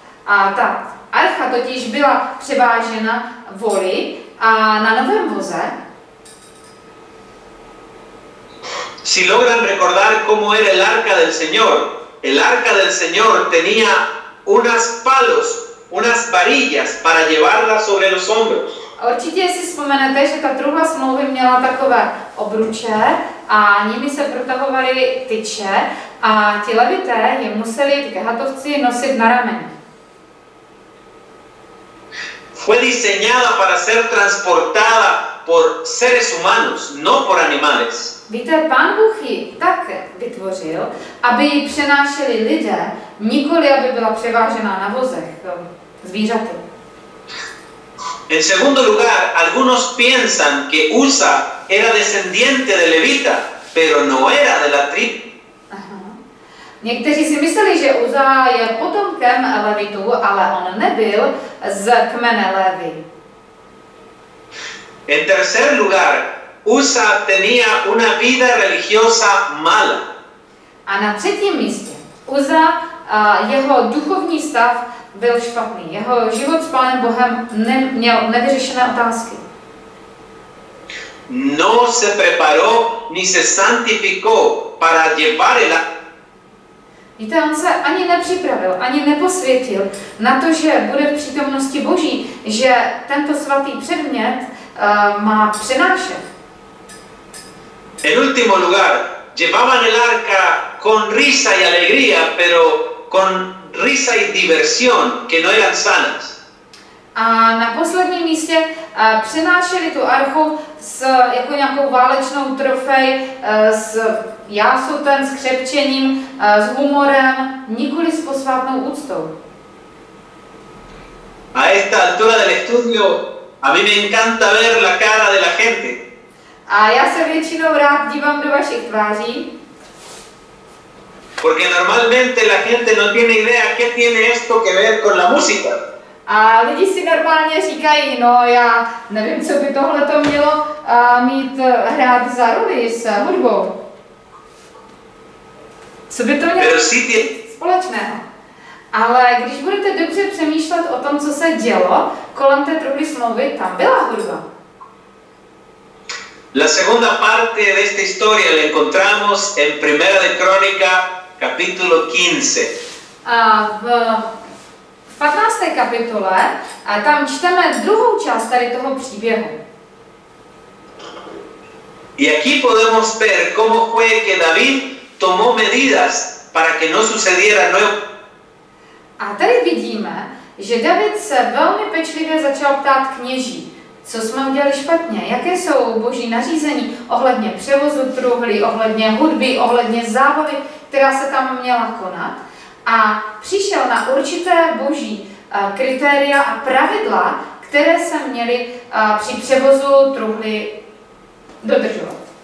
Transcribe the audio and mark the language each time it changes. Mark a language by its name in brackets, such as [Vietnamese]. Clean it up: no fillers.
[Czech] A tak, Archa totiž byla převážena voli a na novém voze. [Spanish] Si logran recordar cómo era el arca del Señor tenía unas palos, unas varillas para llevarla sobre los hombros. [Czech] Určitě si vzpomenete, že ta druhá smlouva měla takové obruče a nimi se protahovaly tyče a ti levité je museli, ty Kehatovci, nosit na rameni. [Spanish] Fue diseñada para ser transportada por seres humanos, no por animales. [Czech] Víte, Pán Bůh ji tak vytvořil, aby ji přenášeli lidé, nikoli aby byla převážena na vozech zvířaty. [Spanish] En segundo lugar, algunos piensan que Usa era descendiente de Levita, pero no era de la tribu. [Czech] Někteří si mysleli, že Uza je potomkem Levitu, ale on nebyl z kmene Levi. [Spanish] En tercer lugar, Usa tenía una vida religiosa mala. [Czech] A na třetím místě, Uza, jeho duchovní stav byl špatný. Jeho život s Pánem Bohem neměl nevyřešené otázky. [Spanish] No se preparó ni se santificó para llevar el. [Czech] Víte, on se ani nepřipravil, ani neposvětil na to, že bude v přítomnosti Boží, že tento svatý předmět má přenášet. [Spanish] En último lugar, llevaban el arca con risa y alegría, pero con risa y diversión, que no eran sanas. [Czech] A na posledním místě přenášeli tu archu s jako nějakou válečnou trofej, s jásotem, s křepčením, s humorem, nikoli s posvátnou úctou. [Spanish] A esta altura del estudio, a mí me encanta ver la cara de la gente. [Czech] A já se většinou rád dívám do vašich tváří. [Spanish] Porque normalmente la gente no tiene idea qué tiene esto que ver con la música. [Czech] A lidi si normálně říkají, no já nevím, co by tohle to mělo mít hrát za roli s hudbou. Co by to mělo společného? Ale když budete dobře přemýšlet o tom, co se dělo kolem té druhé smlouvy, tam byla hudba. [Spanish] La segunda parte de esta historia la encontramos en Primera de Crónica, capítulo 15. [Czech] V 15. kapitole a tam čteme druhou část tady toho příběhu. [Spanish] Y aquí podemos ver cómo fue que David tomó medidas para que no sucediera nuevo. [Czech] A tady vidíme, že David se velmi pečlivě začal ptát kněží. Co jsme udělali špatně? Jaké jsou Boží nařízení ohledně převozu truhly, ohledně hudby, ohledně zábavy, která se tam měla konat? A přišel na určité Boží kritéria a pravidla, které se měly při převozu truhly dodržovat.